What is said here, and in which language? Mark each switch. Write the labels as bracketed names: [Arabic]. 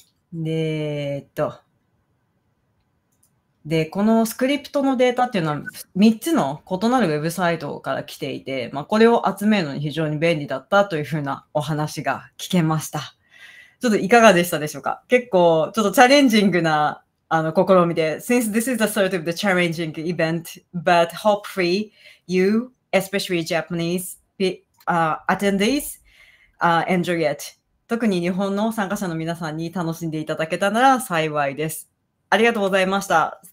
[Japanese] で、で、このスクリプトのデータっていうのは3つの異なるウェブサイトから来ていて、まあ、これを集めるのに非常に便利だったというふうなお話が聞けました。ちょっといかがでしたでしょうか？結構ちょっとチャレンジングなあの試みで、 [English] since this is a sort of the challenging event, but hopefully you, especially Japanese attendees, enjoy it. [Japanese] 特に日本の参加者の皆さんに楽しんでいただけたなら幸いです。ありがとうございました。